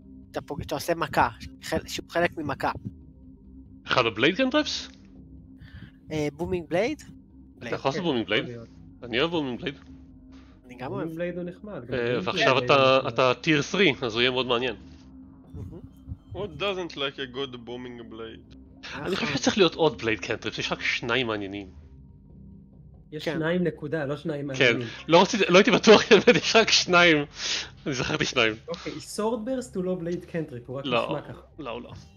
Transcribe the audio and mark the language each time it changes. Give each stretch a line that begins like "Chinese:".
Hebrew: אתה פוגע, אתה עושה מכה, שהוא חלק ממכה. אחד הבלייד קנטריפס? בומינג בלייד? אתה יכול לעשות בומינג בלייד? אני אוהב בומינג בלייד. אני גם אוהב. בומינג בלייד הוא נחמד. ועכשיו אתה טיר 3, אז הוא יהיה מאוד מעניין.
English: What doesn't like a good booming blade?
Hebrew: אני חושב שצריך להיות עוד blade cantrips, יש רק שניים מעניינים. יש שניים נקודה, לא שניים מעניינים. כן, לא הייתי בטוח, אבל יש רק שניים. אני זכרתי שניים. אוקיי, sword burst הוא לא blade cantrip, הוא רק נשמע ככה. לא, לא.